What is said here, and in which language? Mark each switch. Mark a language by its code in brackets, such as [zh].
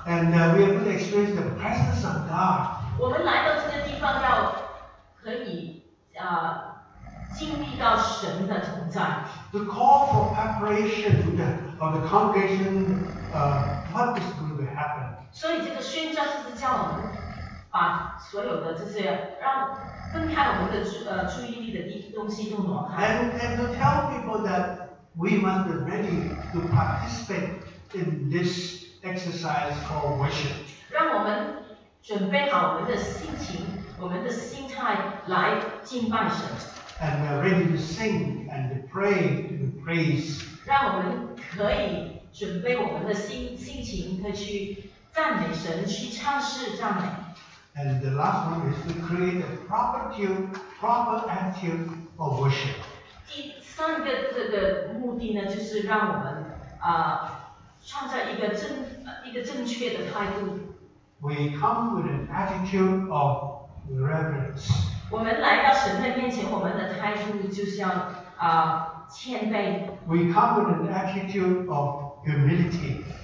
[en] And we are going to experience the presence of God. [zh] 我们来到这个地方要可以经历到神的存在。 [en] The call for preparation of the congregation, what is going to happen? [zh] 所以这个宣教是叫我们。把所有的这些让分开我们的注意力的东西都挪开。 [en] And to tell people that we must be ready to participate in this exercise called worship. [zh] 让我们准备好我们的心情，我们的心态来敬拜神。 [en] And we are ready to sing and to pray and to praise. [zh] 让我们可以准备我们的心情，可以去赞美神，去唱诗赞美。 [en] And the last one is to create a proper attitude of worship. [zh] 第三个这个目的呢，就是让我们创造一个正确的态度。 [en] We come with an attitude of reverence. [zh] 我们来到神的面前，我们的态度就是要谦卑。 [en] We come with an attitude of humility.